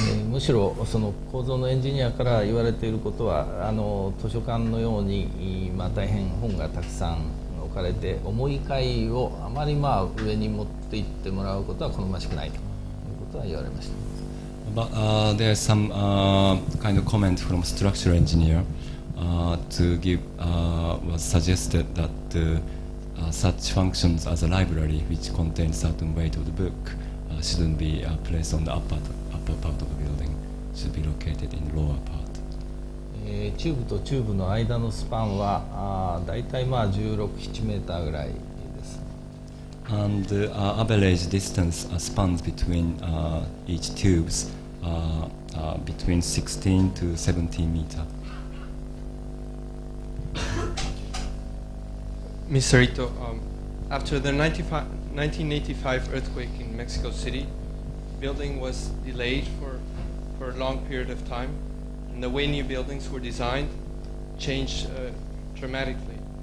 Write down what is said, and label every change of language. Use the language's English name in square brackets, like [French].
[Japanese] むしろその構造のエンジニアから言われていることは、図書館のように、まあ、大変本がたくさん置かれて重い階をあまり、まあ、上に持って行ってもらうことは好ましくないということは言われました。 [English] But, there is some kind of comment from structural engineer to give was suggested that such functions as a library which contains certain weight of the bookshouldn't be placed on the upper part of the building, should be located in the lower part. [Japanese] チューブとチューブの間のスパンは大体まあ16、7メーターぐらいです。 [English] And average distance spans between each tubes between 16 to 17 meter. Mr. Ito, after the 1985 earthquake in Mexico City, building was delayed for a long period of time, and the way new buildings were designed changed dramatically.